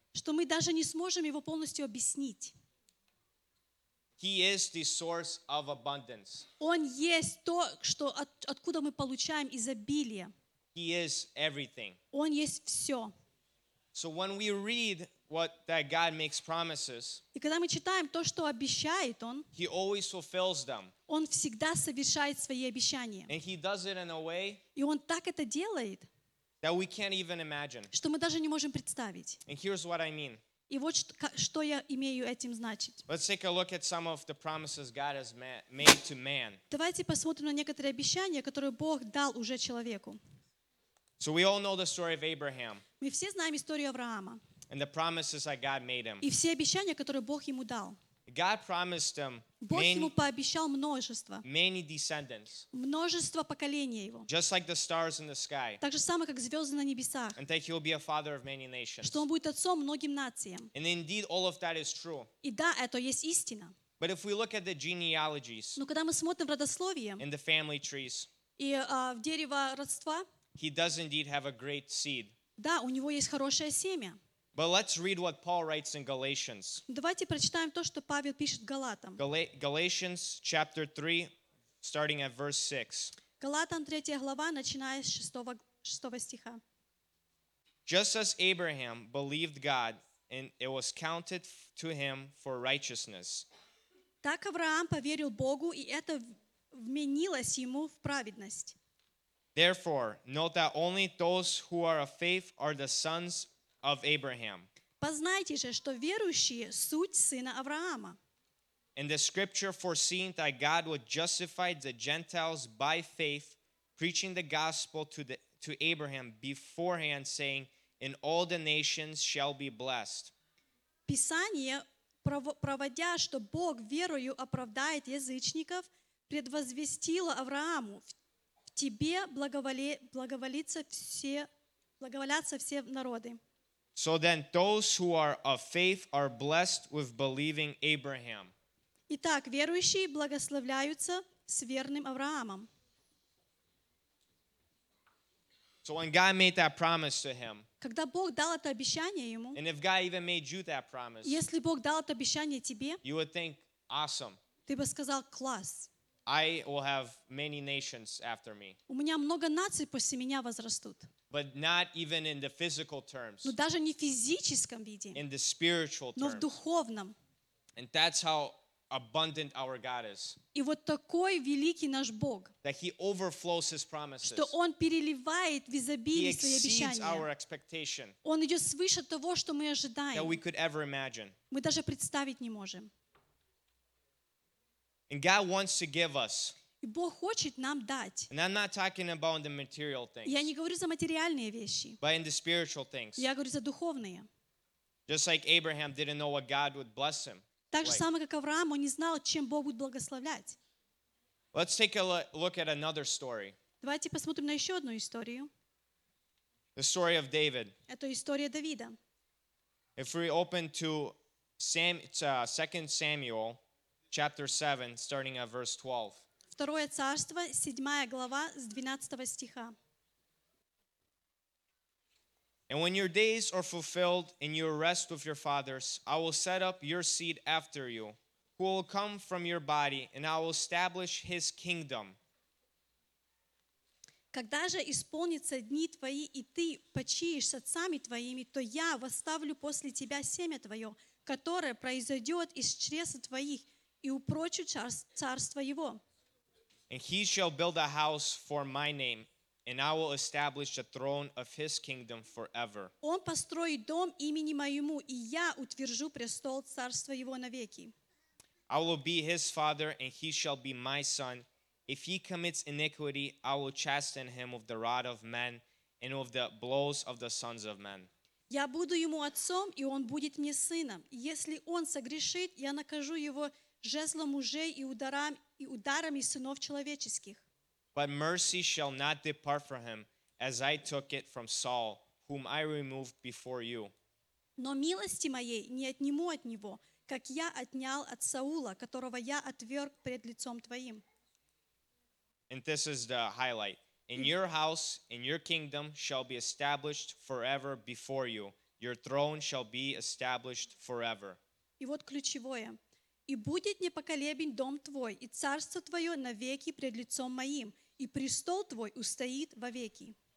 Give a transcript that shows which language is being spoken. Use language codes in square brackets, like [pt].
[ru] Что мы даже не сможем его полностью объяснить. [en] He is the source of abundance. [ru] Он есть то, что откуда мы получаем изобилие. [en] He is everything. [ru] Он есть все. [en] So when we read what that God makes promises, [ru] и когда мы читаем то, что обещает он, [en] He always fulfills them. [ru] Он всегда совершает свои обещания. [en] And He does it in a way, [ru] и он так это делает, [en] that we can't even imagine. [ru] Что мы даже не можем представить. [en] And here's what I mean. [ru] И вот что я имею этим значить. [en] Let's take a look at some of the promises God has made to man. [ru] Давайте посмотрим на некоторые обещания, которые Бог дал уже человеку. [en] So we all know the story of Abraham. [ru] Мы все знаем историю Авраама. [en] And the promises that God made him. [ru] И все обещания, которые Бог ему дал. [en] God promised him many descendants. [ru] Множество поколений его. [en] Just like the stars in the sky. [ru] Так же самое, как звезды на небесах. [en] And that he will be a father of many nations. [ru] Что он будет отцом многим нациям. [en] And indeed, all of that is true. [ru] И да, это есть истина. [en] But if we look at the genealogies, [ru] но когда мы смотрим родословие, [en] and the family trees, [ru] и в дерево родства, [en] he does indeed have a great seed. [ru] Да, у него есть хорошее семя. [en] But let's read what Paul writes in Galatians. [ru] Давайте прочитаем то, что Павел пишет Галатам. [en] Galatians chapter 3, starting at verse 6. [ru] Галатам 3 глава, начиная с 6 стиха. [en] Just as Abraham believed God, and it was counted to him for righteousness. [ru] Так Авраам поверил Богу, и это вменилось ему в праведность. [en] Therefore, note that only those who are of faith are the sons of God. Of Abraham. [ru] Познайте же, что верующие суть сына Авраама. [en] And the scripture foreseeing that God would justify the Gentiles by faith, preaching the gospel to Abraham beforehand, saying, "In all the nations shall be blessed." [ru] Писание, проводя, что Бог верою оправдает язычников, предвозвестило Аврааму: в тебе благоволятся все народы. [en] So then those who are of faith are blessed with believing Abraham. [ru] Итак, верующие благословляются с верным Авраамом. [en] So when God made that promise to him, [ru] когда Бог дал это обещание ему, [en] and if God even made you that promise, [ru] если Бог дал это обещание тебе, [en] you would think, awesome. [ru] Ты бы сказал, класс. [en] I will have many nations after me. [ru] У меня много наций после меня возрастут. [en] But not even in the physical terms. [ru] Но даже не в физическом виде. [en] In the spiritual terms. [ru] Но в духовном. [en] And that's how abundant our God is. [ru] И вот такой великий наш Бог. [en] That He overflows His promises. [ru] Что Он переливает в изобилие свои обещания. [en] He exceeds our expectation. [ru] Он идет свыше того, что мы ожидаем. [en] That we could ever imagine. [ru] Мы даже представить не можем. [en] And God wants to give us. [ru] И Бог хочет нам дать. [en] And I'm not talking about the material things. [ru] Я не говорю за материальные вещи. [en] But in the spiritual things. [ru] Я говорю за духовные. [en] Just like Abraham didn't know what God would bless him. [ru] Так же самое, как Авраам, он не знал, чем Бог будет благословлять. [en] Let's take a look at another story. [ru] Давайте посмотрим на еще одну историю. [en] The story of David. [ru] Это история Давида. [en] If we open to 2 Samuel chapter 7, starting at verse 12. [ru] Второе царство, 7 глава, с 12 стиха. [en] And when your days are fulfilled and you rest with your fathers, I will set up your seed after you, who will come from your body, and I will establish his kingdom. [ru] Когда же исполнятся дни твои, и ты почиешь с отцами твоими, то я восставлю после тебя семя твое, которое произойдет из чреса твоих, и упрочу царство его. [en] And he shall build a house for my name, and I will establish the throne of his kingdom forever. [ru] Он построит дом имени моему, и я утвержу престол царства его навеки. [en] I will be his father, and he shall be my son. If he commits iniquity, I will chasten him with the rod of men and with the blows of the sons of men. [ru] Я буду ему отцом, и он будет мне сыном. Если он согрешит, я накажу его жезлом мужей и ударами. И ударами сынов человеческих. [en] But mercy shall not depart from him, as I took it from Saul, whom I removed before you. [ru] Но милости моей не отниму от него, как я отнял от Саула, которого я отверг пред лицом твоим. [en] And this is the highlight. In your house, in your kingdom, shall be established forever before you. Your throne shall be established forever. [ru] И вот ключевое. И будет непоколебен дом твой, и царство твое навеки пред лицом моим, и престол твой устоит вовеки.